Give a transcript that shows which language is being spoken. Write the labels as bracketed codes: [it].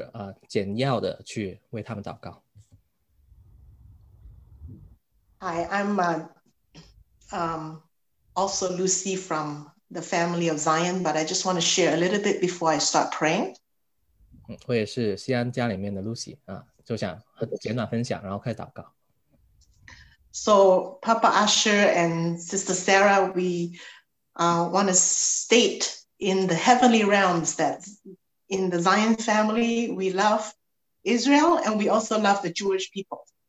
[zh] 可以自由我们当中的代表者简要的去为他们祷告。 [en] Hi, I'm also Lucy from the family of Zion, but I just want to share a little bit before I start praying. [zh] 我也是西安家里面的Lucy，就想简短分享，然后开始祷告。 [en] So Papa Asher and Sister Sarah, we want to state in the heavenly realms that in the Zion family, we love Israel and we also love the Jewish people.